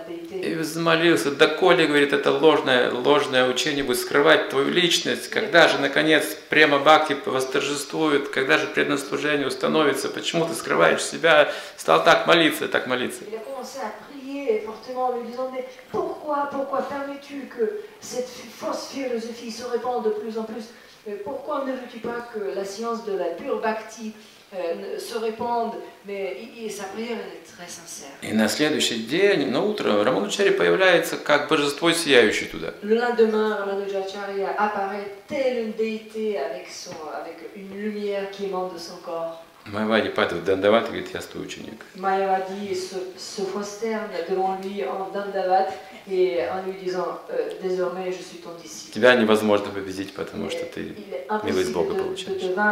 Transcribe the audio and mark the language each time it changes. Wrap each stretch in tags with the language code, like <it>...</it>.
<ru>И взмолился, доколе, говорит, это ложное учение будет скрывать твою личность, когда же, наконец, према бхакти восторжествует, когда же преданнослужение установится, почему ты скрываешь себя, стал так молиться, так молиться.</ru> <fr>Fortement, lui disant, mais pourquoi permets-tu que cette fausse philosophie se répande de plus en plus? Pourquoi ne veux-tu pas que la science de la pure bhakti se répande? Mais sa prière est très sincère. Et</fr> <ru>на следующий день, на утро, Рамануджачарья появляется как божество сияющее туда.</ru> <fr>Le lendemain, Рамануджачарья apparaît telle une déité avec une lumière qui émane de son corps.</fr> <ru>Майявади падает в дандават и говорит, я твой ученик.</ru> <fr>Майявади se prosterne devant lui en дандават</fr> <ru>и</ru> <fr>en lui disant, désormais je suis ton disciple.</fr> <ru>Тебя невозможно победить, потому что ты милость Бога получаешь.</ru>